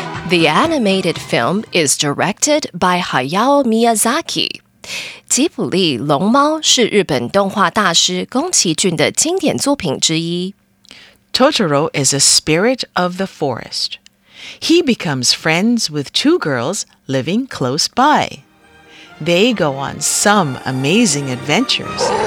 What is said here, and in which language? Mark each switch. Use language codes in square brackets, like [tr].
[en] The animated film is directed by Hayao Miyazaki. [zh] 吉卜力《龙猫》是日本动画大师宫崎骏的经典作品之一。 [en] Totoro is a spirit of the forest. He becomes friends with two girls living close by. They go on some amazing adventures.